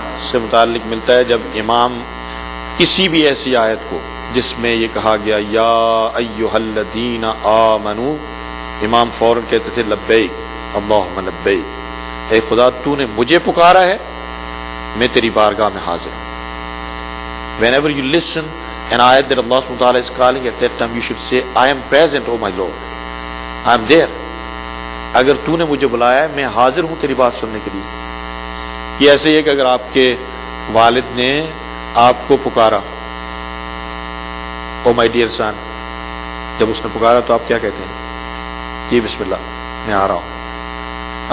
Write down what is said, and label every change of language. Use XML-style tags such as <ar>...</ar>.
<ur>سے متعلق ملتا ہے, جب امام کسی بھی ایسی آیت کو جس میں یہ کہا گیا</ur> <ar>یا ایہا الذین آمنوا,</ar> <ur>امام فوراً کہتے تھے</ur> <ar>لبیک اللہم لبیک,</ar> <ur>اے خدا تو نے مجھے پکارا ہے, میں تیری بارگاہ میں حاضر ہوں.</ur> <en>Whenever you listen an ayat that Allah subhanahu wa ta'ala is calling, at that time you should say, I am present, oh my Lord, I am there.</en> <ur>اگر تو نے مجھے بلایا ہے میں حاضر ہوں تیری بات سننے کے لیے. یہ ایسے ہی ہے کہ اگر آپ کے والد نے آپ کو پکارا,</ur> <en>oh my dear son,</en> <ur>جب اس نے پکارا تو آپ کیا کہتے ہیں, جی بسم اللہ میں آ رہا ہوں.</ur>